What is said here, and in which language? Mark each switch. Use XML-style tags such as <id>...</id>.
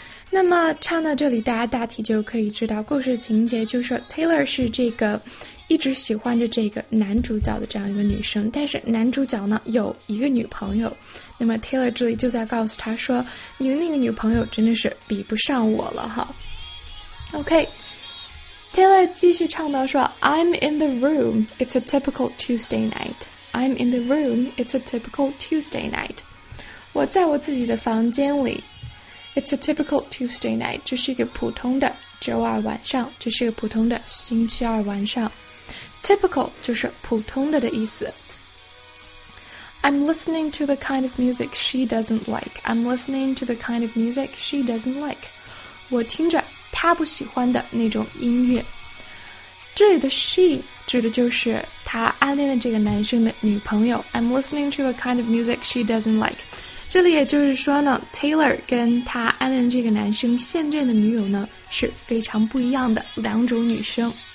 <zh>那么唱到这里大家大体就可以知道故事情节就是说 Taylor 是这个一直喜欢着这个男主角的这样一个女生但是男主角呢有一个女朋友那么 Taylor 这里就在告诉她说你的那个女朋友真的是比不上我了哈 OK Taylor 继续唱到说</zh> <en>I'm in the room It's a typical Tuesday nightI'm in the room, it's a typical Tuesday night.</en> <zh>我在我自己的房间里。</zh> <en>It's a typical Tuesday night,</en> <zh>这是一个普通的周二晚上,这是一个普通的星期二晚上。 Typical 就是普通的的意思。</zh> <en>I'm listening to the kind of music she doesn't like. I'm listening to the kind of music she doesn't like.</en> <zh>我听着她不喜欢的那种音乐。这里的 she... 指的就是他暗恋的这个男生的女朋友</zh> <en>I'm listening to the kind of music she doesn't like</en> <zh>这里也就是说呢 Taylor 跟他暗恋的这个男生现任的女友呢是非常不一样的两种女生</zh>